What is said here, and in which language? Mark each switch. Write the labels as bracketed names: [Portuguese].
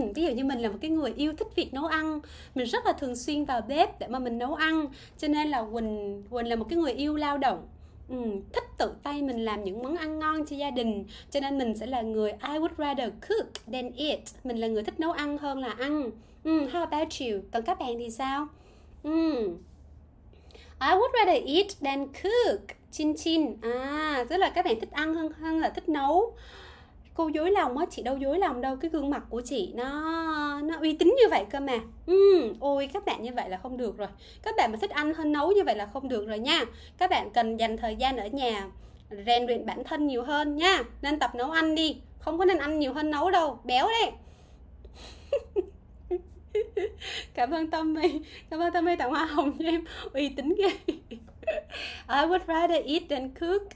[Vietnamese] Ví dụ như mình là một cái người yêu thích việc nấu ăn, mình rất là thường xuyên vào bếp để mà mình nấu ăn, cho nên là Quỳnh là một cái người yêu lao động, thích tự tay mình làm những món ăn ngon cho gia đình, cho nên mình sẽ là người [English] I would rather cook than eat. [Vietnamese] Mình là người thích nấu ăn hơn là ăn. [English] How about you? [Vietnamese] Còn các bạn thì sao? [English] I would rather eat than cook. Chin chin. [Vietnamese] À, tức là các bạn thích ăn hơn là thích nấu. Cô dối lòng á, chị đâu dối lòng đâu, cái gương mặt của chị nó uy tín như vậy cơ mà. Ôi các bạn như vậy là không được rồi. Các bạn mà thích ăn hơn nấu như vậy là không được rồi nha. Các bạn cần dành thời gian ở nhà rèn luyện bản thân nhiều hơn nha. Nên tập nấu ăn đi, không có nên ăn nhiều hơn nấu đâu, béo đấy. Cảm ơn Tâm My tặng hoa hồng cho em, uy tín ghê. [English] I would rather eat than cook.